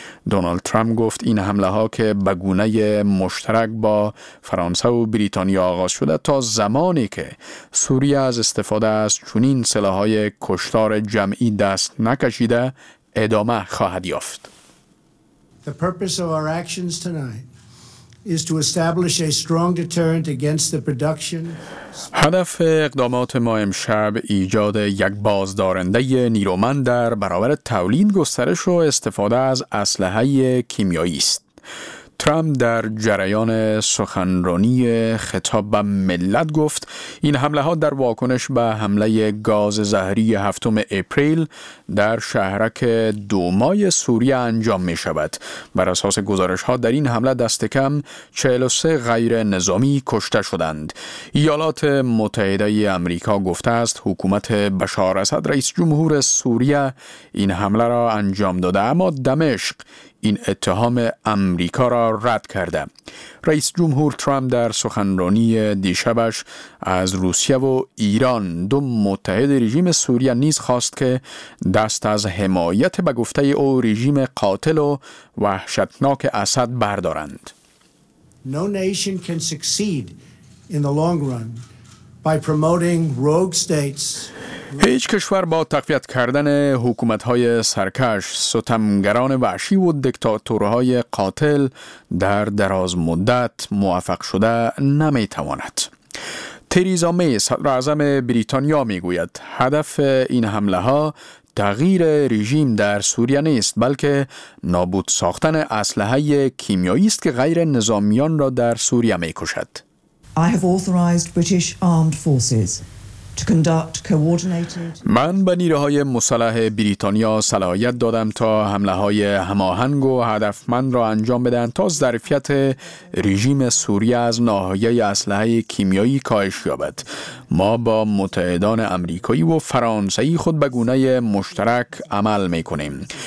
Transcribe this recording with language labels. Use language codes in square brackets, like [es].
[fa] دونالد ترامپ گفت این حمله‌ها که به گونه مشترک با فرانسه و بریتانیا آغاز شده تا زمانی که سوریه از استفاده از چنین سلاح‌های کشتار جمعی دست نکشیده ادامه خواهد یافت. [en] The purpose of our actions tonight is to establish a strong deterrent against the production. [fa] هدف اقدامات ما امشب ایجاد یک بازدارنده نیرومند در برابر تولید، گسترش و استفاده از اسلحه کیمیایی است. ترامپ در جریان سخنرانی خطاب به ملت گفت این حمله ها در واکنش به حمله گاز زهری هفتم اپریل در شهرک دومای سوریه انجام می شود. بر اساس گزارش ها در این حمله دست کم 43 غیر نظامی کشته شدند. ایالات متحده آمریکا گفته است حکومت بشار اسد رئیس جمهور سوریه این حمله را انجام داده، اما دمشق این اتهام آمریکا را رد کرده. رئیس جمهور ترامپ در سخنرانی دیشبش از روسیه و ایران، دو متحد رژیم سوریه، نیز خواست که دست از حمایت به گفته او رژیم قاتل و وحشتناک اسد بردارند. [en] No nation can succeed in the long run by promoting rogue states. [fa] هیچ کشور با تقویت کردن حکومت‌های سرکش، ستمگران وحشی و دیکتاتورهای قاتل در دراز مدت موفق شده نمی‌تواند. تریزا می، صدر اعظم بریتانیا، می‌گوید هدف این حمله‌ها تغییر رژیم در سوریه نیست، بلکه نابود ساختن اسلحه کیمیایی است که غیر نظامیان را در سوریه می‌کشد. [en] I have authorized British armed forces to conduct coordinated. [fa] من به نیروهای مسلح بریتانیا صلاحیت دادم تا حمله‌های هماهنگ و هدفمند را انجام بدهند تا ظرفیت رژیم سوریه از ناحیه اسلحه کیمیایی کاهش یابد. ما با متحدان آمریکایی و فرانسوی خود به گونه مشترک عمل می‌کنیم.